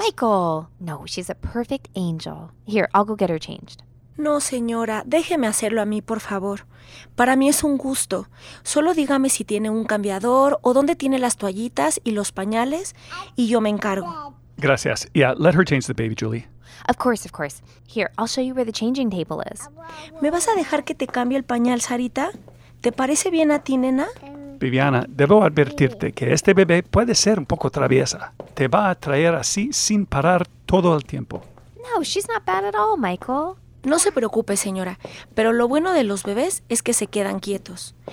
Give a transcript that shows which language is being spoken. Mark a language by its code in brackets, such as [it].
[en] Michael! No, she's a perfect angel. Here, I'll go get her changed. [es] No, señora. Déjeme hacerlo a mí, por favor. Para mí es un gusto. Solo dígame si tiene un cambiador o dónde tiene las toallitas y los pañales y yo me encargo. Gracias. [en] Yeah, let her change the baby, Julie. Of course. Here, I'll show you where the changing table is. [es] ¿Me vas a dejar que te cambie el pañal, Sarita? ¿Te parece bien a ti, nena? Viviana, debo advertirte que este bebé puede ser un poco traviesa. Te va a traer así sin parar todo el tiempo. [en] No, she's not bad at all, Michael. [es] No se preocupe, señora, pero lo bueno de los bebés es que se quedan quietos.